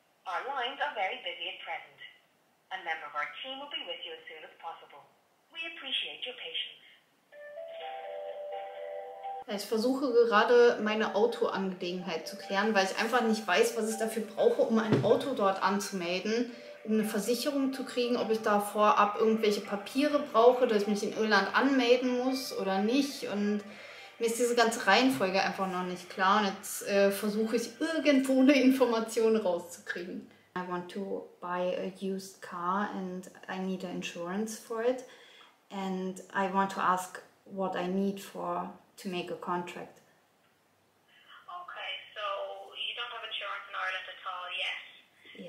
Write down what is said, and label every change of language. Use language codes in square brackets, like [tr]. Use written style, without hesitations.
[en] Our lines are very busy at present. A member of our team will be with you as soon as possible. We appreciate your patience. [de] Ich versuche gerade, meine Autoangelegenheit zu klären, weil ich einfach nicht weiß, was ich dafür brauche, um ein Auto dort anzumelden, um eine Versicherung zu kriegen, ob ich da vorab irgendwelche Papiere brauche, dass ich mich in Irland anmelden muss oder nicht. Und mir ist diese ganze Reihenfolge einfach noch nicht klar. Und jetzt versuche ich, irgendwo eine Information rauszukriegen. [en] I want to buy a used car and I need an insurance for it. And I want to ask what I need for to make a contract. Okay, so you don't have insurance in Ireland at all, yes.